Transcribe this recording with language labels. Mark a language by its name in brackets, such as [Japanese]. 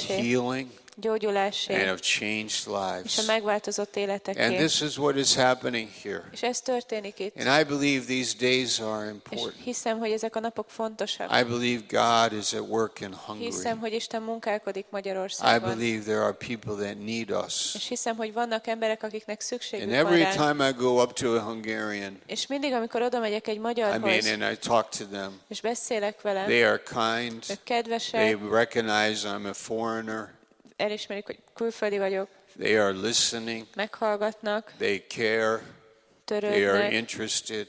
[English] healing. [Hungarian] Gyógyulásé. [English] And of changed lives. [Hungarian] És a megváltozott életeké. [English] And this is what is happening here. [Hungarian] És ez történik itt. [English] And I believe these days are important. [Hungarian] És hiszem, hogy ezek a napok fontosak. [English] I believe God is at work in Hungary. [Hungarian] Hiszem, hogy Isten munkálkodik Magyarországon. [English] I believe there are people that need us. [Hungarian] És hiszem, hogy vannak emberek, akiknek szükségük van. [English] And every time I go up to a Hungarian. [Hungarian] És mindig, amikor odamegyek egy magyarhoz. [English] I mean, and I talk to them. [Hungarian] És beszélek vele. [English] They are kind. [Hungarian] Ők kedvesek. [English] They recognize I'm a foreigner. [Hungarian] Elismerik, hogy külföldi vagyok. [English] They are listening. [Hungarian] Meghallgatnak. [English] They care. [Hungarian] Törődnek. [English] They are interested.